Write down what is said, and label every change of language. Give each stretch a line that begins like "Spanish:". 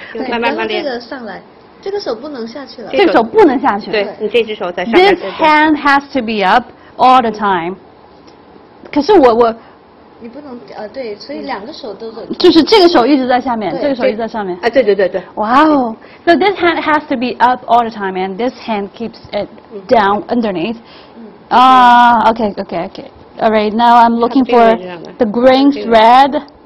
Chinese: 慢慢练。这个上来，这个手不能下去了。这手不能下去。对，你这只手在上面。
English: This hand has to be up all the time.
Chinese: 可是我。你不能，对，所以两个手都在，就是这个手一直在下面，这个手一直在上面。哎，对对对对。Wow,
English: so this hand has to be up all the time, and this hand keeps it down underneath. Okay. All right, now I'm looking for the green thread.